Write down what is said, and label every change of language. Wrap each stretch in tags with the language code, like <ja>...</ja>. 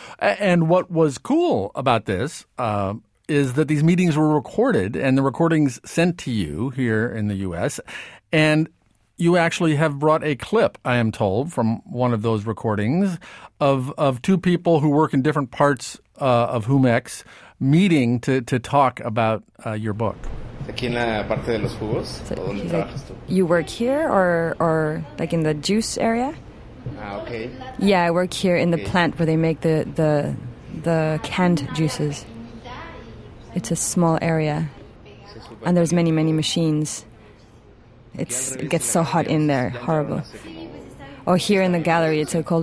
<en>And what was cool about this is that these meetings were recorded, and the recordings sent to you here in the U.S. and you actually have brought a clip, I am told, from one of those recordings of two people who work in different parts of Jumex meeting to talk about your book.</en> <es>Aquí en la parte de los jugos, ¿dónde trabajas tú?</es> <en>You work here or like in the juice area? Ah, okay. Yeah, I work here in the plant where they make the canned juices. It's a small area and there's many, many machines. It gets so hot in there, horrible. Oh, here in the gallery, it's so cold.</en>